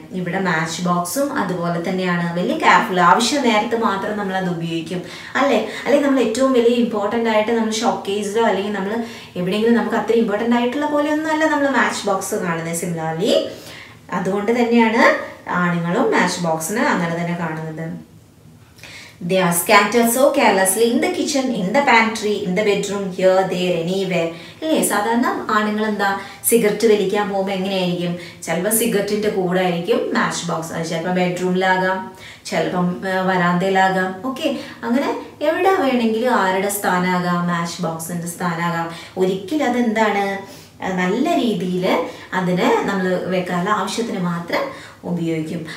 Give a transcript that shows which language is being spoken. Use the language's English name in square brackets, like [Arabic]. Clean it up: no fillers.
[Malayalam] ഇവിടെ മാച്ച് ബോക്സും അതുപോലെ തന്നെയാണ്, വലിയ കെയർഫുൾ, ആവശ്യ നേരത്ത് മാത്രം നമ്മൾ അത് ഉപയോഗിക്കും അല്ലേ. അല്ലെങ്കിൽ നമ്മൾ ഏറ്റവും വലിയ ഇമ്പോർട്ടൻ്റ് ആയിട്ട് നമ്മൾ ഷോക്കേസിലോ അല്ലെങ്കിൽ നമ്മൾ എവിടെയെങ്കിലും നമുക്ക് അത്ര ഇമ്പോർട്ടൻ്റ് ആയിട്ടുള്ള പോലെയൊന്നുമല്ല നമ്മൾ മാച്ച് ബോക്സ് കാണുന്നത്. സിമിലർലി അതുകൊണ്ട് തന്നെയാണ് ആണുങ്ങളും മാച്ച് ബോക്സിന് അങ്ങനെ തന്നെ കാണുന്നത്. [English] They are scattered so carelessly in the kitchen, in the pantry, in the bedroom, here, there, anywhere. [Malayalam] ഇല്ലേ, സാധാരണ ആണുങ്ങൾ എന്താ സിഗരറ്റ് വലിക്കാൻ പോകുമ്പോൾ എങ്ങനെയായിരിക്കും, ചിലപ്പോൾ സിഗരറ്റിൻ്റെ കൂടെ ആയിരിക്കും മാച്ച് ബോക്സ്, അത് ചിലപ്പോൾ ബെഡ്റൂമിലാകാം, ചിലപ്പം വരാന്തയിലാകാം. ഓക്കെ, അങ്ങനെ എവിടെ വേണമെങ്കിലും ആരുടെ സ്ഥാനമാകാം മാച്ച് ബോക്സിൻ്റെ സ്ഥാനമാകാം. ഒരിക്കലും അതെന്താണ് നല്ല രീതിയിൽ അതിനെ നമ്മൾ വെക്കാനുള്ള ആവശ്യത്തിന് മാത്രം ഉപയോഗിക്കും.